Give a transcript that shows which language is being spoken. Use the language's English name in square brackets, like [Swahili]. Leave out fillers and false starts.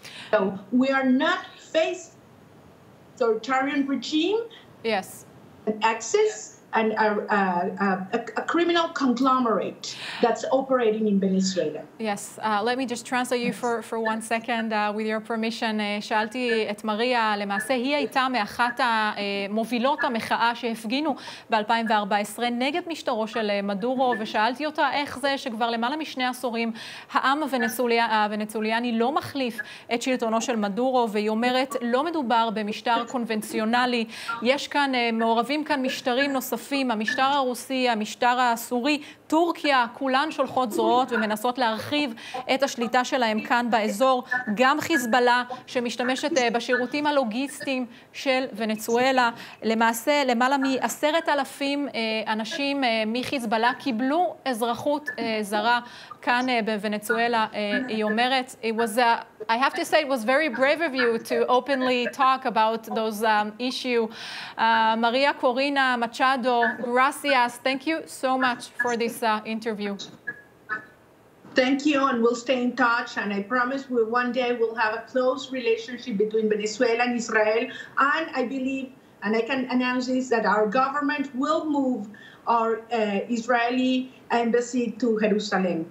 [English] So we are not faced authoritarian regime, yes, an axis, a criminal conglomerate that's operating in Venezuela. Yes, let me just translate you for one second with your permission. [Hebrew] שאלתי את מריה, למעשה היא הייתה מאחת המובילות המחאה שהפגינו ב-2014 נגד משטרו של מדורו, ושאלתי אותה איך זה שכבר למעלה משני עשורים העם הוונצואליאני לא מחליף את שלטונו של מדורו, והיא אומרת, לא מדובר במשטר קונבנציונלי, יש כאן, מעורבים כאן משטרים נוספים, המשטר הרוסי, המשטר הסורי, טורקיה, כולן שולחות זרועות ומנסות להרחיב את השליטה שלהם כאן באזור, גם חיזבאללה שמשתמשת בשירותים הלוגיסטיים של ונצואלה. למעשה, למעלה מ-10,000 אנשים מחיזבאללה קיבלו אזרחות זרה כאן בוונצואלה, היא אומרת. [English] I have to say it was very brave of you to openly talk about those issue. Maria Corina Machado, gracias. Thank you so much for this interview. Thank you, and we'll stay in touch, and I promise we one day we'll have a close relationship between Venezuela and Israel, and I believe, and I can announce this, that our government will move our Israeli embassy to Jerusalem.